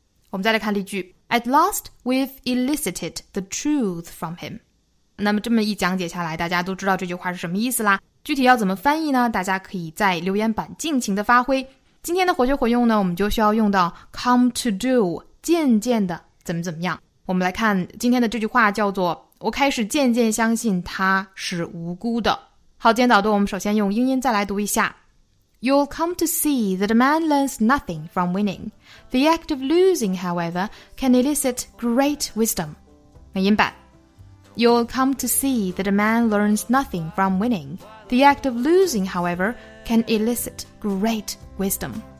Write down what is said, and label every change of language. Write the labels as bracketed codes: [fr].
[zh] 我们再来看例句， [en] At last we've elicited the truth from him. [zh] 那么这么一讲解下来，大家都知道这句话是什么意思啦。具体要怎么翻译呢？大家可以在留言板尽情的发挥。今天的活学活用呢，我们就需要用到 come to do， 渐渐的怎么怎么样。我们来看今天的这句话，叫做我开始渐渐相信他是无辜的。好，今天导读我们首先用英音再来读一下。 [en] You'll come to see that a man learns nothing from winning. The act of losing, however, can elicit great wisdom. [zh] 美音版。 [en] You'll come to see that a man learns nothing from winning. The act of losing, however, can elicit great wisdom.